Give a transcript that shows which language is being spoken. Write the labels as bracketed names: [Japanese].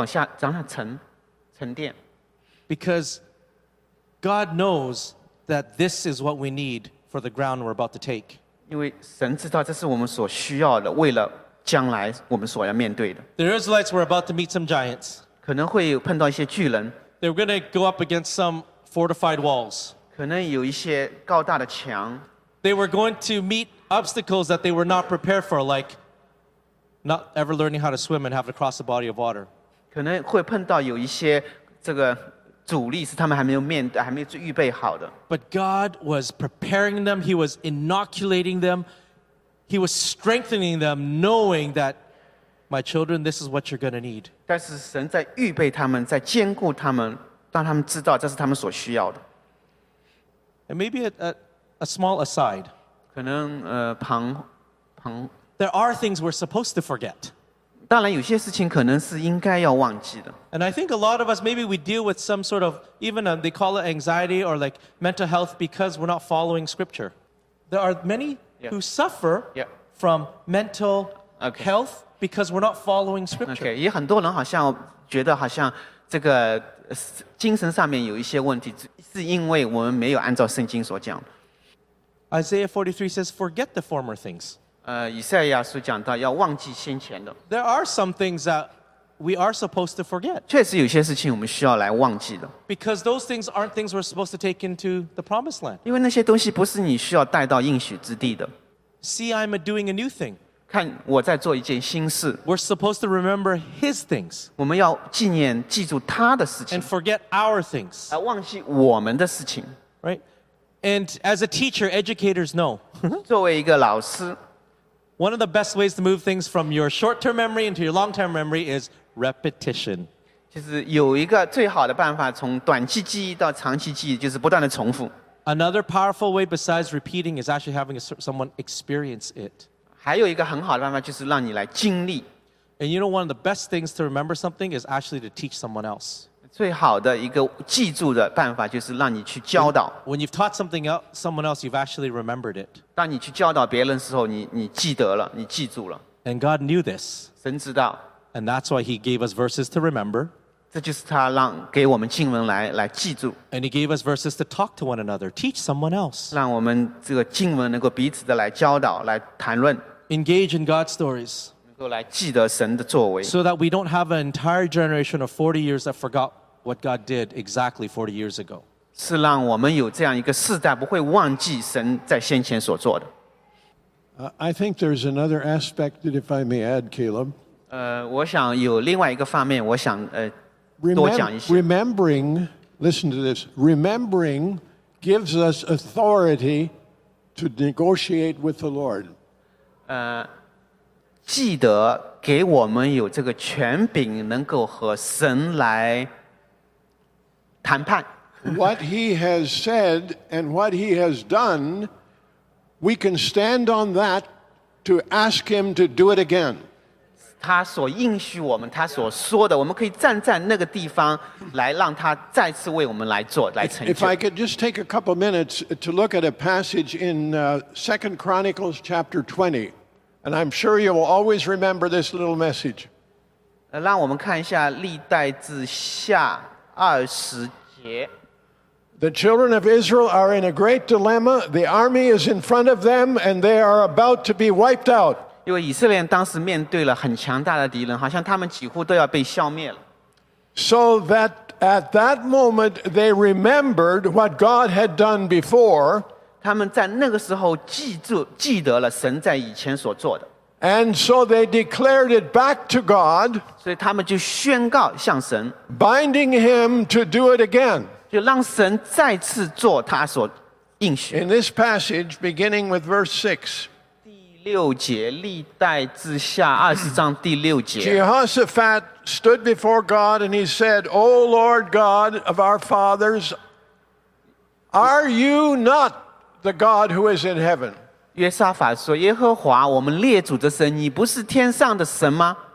[Chinese] 你回去的时候就让它往下沉淀。 [English] Because God knows that this is what we need for the ground we're about to take. [Chinese] 因为神知道这是我们所需要的，为了将来我们所要面对的。 [English] The Israelites were about to meet some giants. [Chinese] 可能会碰到一些巨人。 [English] They were going to go up against some fortified walls. [Chinese] 可能有一些高大的墙。 [English] They were going to meet obstacles that they were not prepared for, like not ever learning how to swim and have to cross a body of water. [Chinese] 可能会碰到有一些这个阻力是他们还没有面对还没有预备好的 [English] But God was preparing them, he was inoculating them, he was strengthening them knowing that my children, this is what you're going to need. [Chinese] 但是神在预备他们在坚固他们让他们知道这是他们所需要的 [English] And maybe a small aside. [Chinese] 可能旁 [English] There are things we're supposed to forget. [Chinese] 当然有些事情可能是应该要忘记的。 [English] And I think a lot of us, maybe we deal with some sort of, even a, they call it anxiety or like mental health because we're not following scripture. There are many who suffer from mental health because we're not following scripture. [Chinese] Okay, 也很多人好像觉得好像这个精神上面有一些问题是因为我们没有按照圣经所讲。 [English] Isaiah 43 says, forget the former things. [Chinese] 以赛亚书讲到要忘记先前的。 [English] There are some things that we are supposed to forget. [Chinese] 确实有些事情我们需要来忘记的。 [English] Because those things aren't things we're supposed to take into the promised land. [Chinese] 因为那些东西不是你需要带到应许之地的。 [English] See, I'm doing a new thing. [Chinese] 看我在做一件新事。 [English] We're supposed to remember his things. [Chinese] 我们要纪念记住他的事情。 [English] And forget our things. [Chinese] 来忘记我们的事情。 [English] Right? And as a teacher, educators know. [Chinese] 作为一个老师。 [English] One of the best ways to move things from your short-term memory into your long-term memory is repetition. [Chinese] 其实有一个最好的办法从短期记忆到长期记忆就是不断的重复。 [English] Another powerful way besides repeating is actually having someone experience it. [Chinese] 还有一个很好的办法就是让你来经历。 [English] And you know one of the best things to remember something is actually to teach someone else. [Chinese] 最好的一个记住的办法就是让你去教导。 [English] When you've taught something else, someone else, you've actually remembered it. [Chinese] 当你去教导别人的时候你记得了你记住了。 [English] And God knew this. [Chinese] 神知道。 [English] And that's why he gave us verses to remember. [Chinese] 这就是他让给我们经文来记住。 [English] And he gave us verses to talk to one another, teach someone else. [Chinese] 让我们这个经文能够彼此的来教导来谈论。 [English] Engage in God's stories. So that we don't have an entire generation of 40 years that forgot what God did exactly 40 years ago. [Chinese] 是让我们有这样一个世代不会忘记神在先前所做的。 [English] I think there's another aspect that if I may add, Caleb. [Chinese] 我想有另外一个方面我想多讲一些。 [English] Remembering, listen to this, remembering gives us authority to negotiate with the Lord. [Chinese] 记得给我们有这个权柄能够和神来谈判。 [English] What he has said and what he has done, we can stand on that to ask him to do it again. [Chinese] 他所应许我们，他所说的，我们可以站在那个地方来让他再次为我们来做，来成就。 [English] If I could just take a couple minutes to look at a passage in 2 Chronicles chapter 20. And I'm sure you will always remember this little message. [Chinese] 让我们看一下历代志下二十节。 [English] The children of Israel are in a great dilemma. The army is in front of them, and they are about to be wiped out. [Chinese] 因为以色列人当时面对了很强大的敌人，好像他们几乎都要被消灭了。 [English] So that at that moment they remembered what God had done before. [Chinese] 他们在那个时候记得了神在以前所做的。 [English] And so they declared it back to God. [Chinese] 所以他们就宣告向神。 [English] Binding him to do it again. [Chinese] 就让神再次做他所应许。 [English] In this passage, beginning with verse 6. [Chinese] 第六节，历代志下二十章第六节。 [English] Jehoshaphat stood before God and he said, O Lord God of our fathers, are you not the God who is in heaven. [Chinese] 约沙法说耶和华我们列祖的神你不是天上的神吗